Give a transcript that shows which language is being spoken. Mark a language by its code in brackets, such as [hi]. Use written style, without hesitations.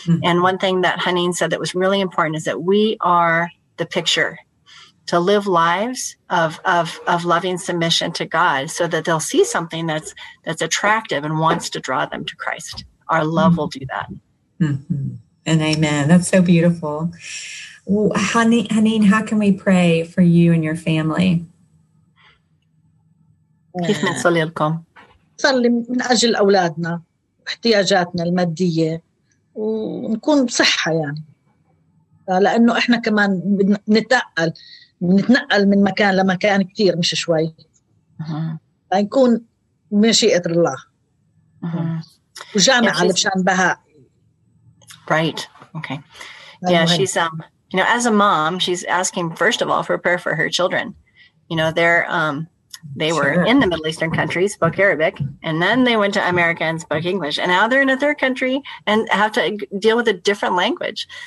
[en] And one thing that Hanin said that was really important is that we are the picture to live lives of loving submission to God so that they'll see something that's attractive and wants to draw them to Christ. Our love will do that. Mm-hmm. And amen. That's so beautiful. Hanin, how can we pray for you and your family? [ar] كيف نصلي لكم؟ نصلي من أجل أولادنا واحتياجاتنا المادية ونكون بصحة، يعني لأنه إحنا كمان نتنقل من مكان لمكان كتير مش شوي، فنكون مشيئة الله وجامعة لبشان بهاء. [en] Right. Okay. Yeah, she's you know, as a mom, she's asking, first of all, for prayer for her children. You know, they were in the Middle Eastern country, spoke Arabic, and then they went to America and spoke English. And now they're in a third country and have to deal with a different language.